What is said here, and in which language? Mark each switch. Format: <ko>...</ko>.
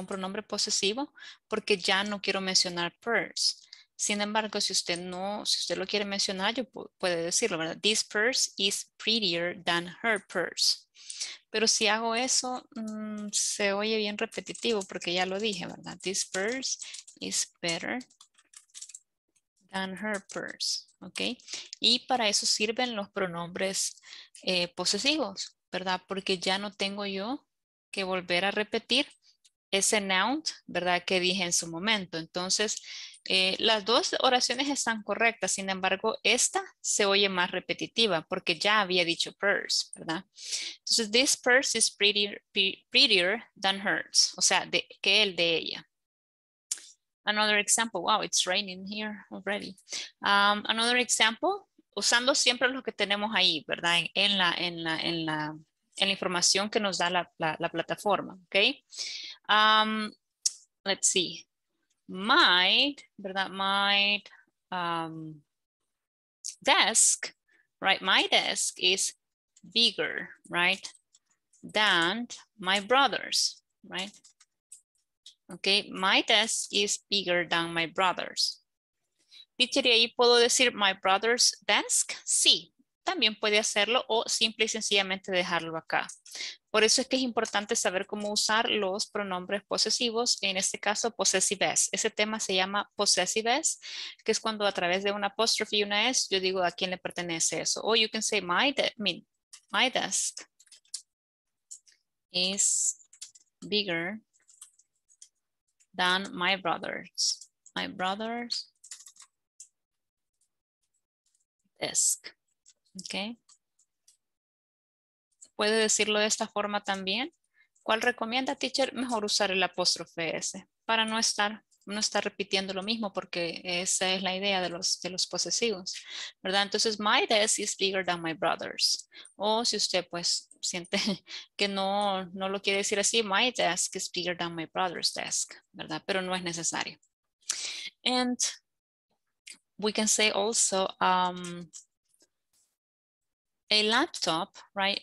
<es>Un pronombre posesivo, porque ya no quiero mencionar purse. Sin embargo, si usted lo quiere mencionar, yo puedo decirlo, ¿verdad?</es> <en>This purse is prettier than her purse.</en> <es>Pero si hago eso, se oye bien repetitivo porque ya lo dije, ¿verdad?</es> <en>This purse is better than her purse,</en> <es>¿ok? Y para eso sirven los pronombres posesivos, ¿verdad? Porque ya no tengo yo que volver a repetir ese noun, ¿verdad? Que dije en su momento. Entonces, las dos oraciones están correctas, sin embargo, esta se oye más repetitiva porque ya había dicho purse, ¿verdad? Entonces,</es> <en>this purse is prettier than hers,</en> <es>o sea, que el de ella.</es> <en>Another example, wow, it's raining here already. Another example,</en> <es>usando siempre lo que tenemos ahí, ¿verdad? En la información que nos da la plataforma, ¿ok?</es> <en>Let's see. Might,</en> <es>¿verdad?</es> <en>Might desk, right? My desk is bigger, right? Than my brother's, right? Okay, my desk is bigger than my brother's.</en> <es>Teacher, ¿y ahí puedo decir</es> <en>my brother's desk?</en> <es>Sí, también puede hacerlo o simple y sencillamente dejarlo acá. Por eso es que es importante saber cómo usar los pronombres posesivos, en este caso possessives. Ese tema se llama possessives, que es cuando a través de una apostrofe y una S, yo digo a quién le pertenece eso.</es> <en>O you can say my desk is bigger than my brother's desk, okay.</en> <es>Puede decirlo de esta forma también. ¿Cuál recomienda, teacher? Mejor usar el apóstrofe S para no estar repitiendo lo mismo, porque esa es la idea de los posesivos, ¿verdad? Entonces,</es> <en>my desk is bigger than my brother's.</en> <es>O si usted, pues, siente que no lo quiere decir así,</es> <en>my desk is bigger than my brother's desk,</en> <es>¿verdad? Pero no es necesario.</es> <en>And we can say also, a laptop, right?</en>